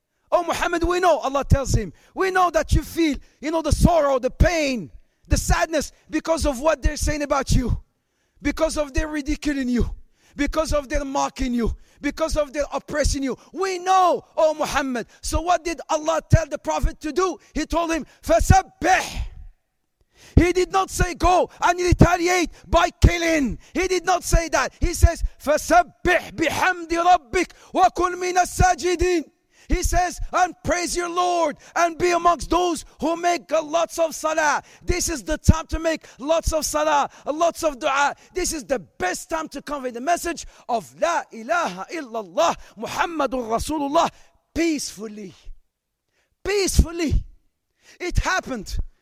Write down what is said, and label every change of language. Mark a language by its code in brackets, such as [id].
[en] Oh Muhammad, we know, Allah tells him, we know that you feel, you know, the sorrow, the pain, the sadness, because of what they're saying about you, because of their ridiculing you, because of their mocking you, because of their oppressing you. We know, oh Muhammad. So what did Allah tell the Prophet to do? He told him, فَسَبِّحْ. He did not say, go and retaliate by killing. He did not say that. He says, [ar] فَسَبِّحْ بِحَمْدِ رَبِّكْ وَكُلْ مِنَ السَّاجِدِينَ. [en] He says, and praise your Lord and be amongst those who make lots of salah. This is the time to make lots of salah, lots of dua. This is the best time to convey the message of La ilaha illallah Muhammadur Rasulullah peacefully. Peacefully. It happened.